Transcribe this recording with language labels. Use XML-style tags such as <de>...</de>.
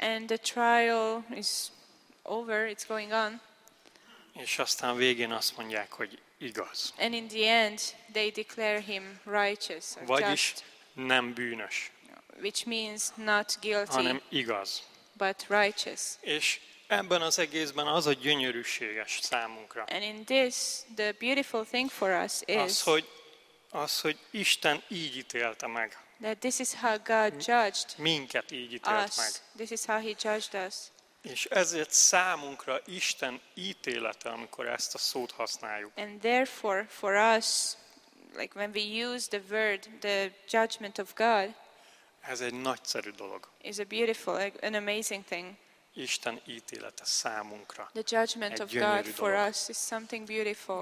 <en>And the trial is over, it's going on.</en> <hu>És aztán végén azt mondják, hogy igaz.</hu> <en>And in the end, they declare him righteous, or</en> <hu>vagyis</hu> <en>just,</en> <hu>nem bűnös.</hu> <en>Which means not guilty,</en> <hu>hanem igaz.</hu> <en>But righteous.</en> <hu>És ebben az egészben az a gyönyörűséges számunkra.</hu> <en>And in this, the beautiful thing for us is,</en> <hu>az, hogy Isten így ítélte meg.</hu> <en>That this is how God judged</en> <hu>minket így ítélt</hu> <en>us.</en> <hu>Meg.</hu> <en>This is how he judged us.</en> <hu>És ezért számunkra Isten ítélete, amikor ezt a szót használjuk.</hu> <en>And therefore for us, like when we use the word the judgment of God,</en> <hu>ez egy nagyszerű dolog.</hu> <en>Is a beautiful, an amazing thing.</en> <hu>Isten ítélete számunkra.</hu> <en>The judgment of God for us is something beautiful.</en>